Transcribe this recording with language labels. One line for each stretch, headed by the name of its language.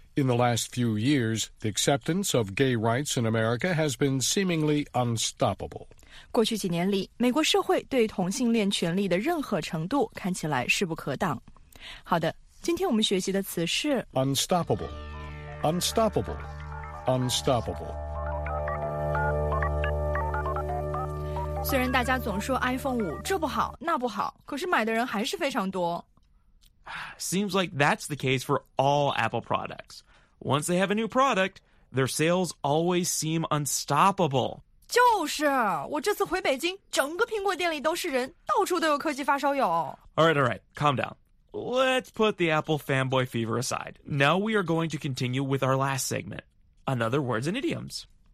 English: In the last few years, the acceptance of gay rights in America has been seemingly unstoppable.
Chinese: 过去几年里，美国社会对同性恋权利的任何程度看起来势不可挡。好的，今天我们学习的词是
English: unstoppable, unstoppable, unstoppable.
Chinese: 虽然大家总说 iPhone 5这不好那不好，可是买的人还是非常多。
English: Seems like that's the case for all Apple products. Once they have a new product, their sales always seem unstoppable.
Chinese: 就是，我这次回北京，整个苹果店里都是人，到处都有科技发烧友。
English: All right, calm down. Let's put the Apple fanboy fever aside. Now we are going to continue with our last segment, another words and idioms.